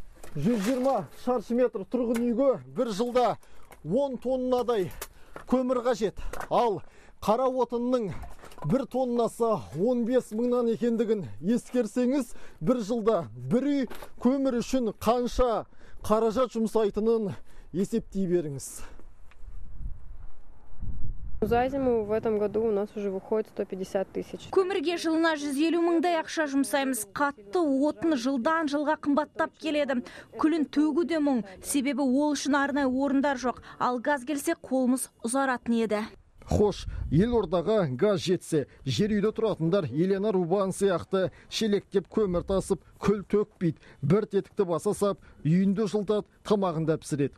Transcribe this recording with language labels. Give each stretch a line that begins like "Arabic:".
Kazakh: 120 шаршы метр тұрғын үйге бір жылда 10 тоннадай көмір қажет. Ал қара отынның 1 тоннасы 15 мыңнан екендігін ескерсеңіз, бір жылда бір үй көмір үшін қанша қаражат жұмсайтынын есептей беріңіз.
Russian: За зиму в этом году у нас уже выходит 150 тысяч.
Kazakh: Көмірге жылына 150 мыңдай ақша жұмсаймыз. Қатты отын жылдан жылға қымбаттап келеді. Күлін төгу де мұң. Себебі ол үшін арнай орындар жоқ. Ал газ келсе қолымыз ұзаратын еді. Хош, елордаға газ жетсе, жер үйде тұратындар Елена Рубан сияқты шелектеп көмір тасып, күл төкпейді, бір тетікті басасап, үйінде жылтат, тамағында пісіреді.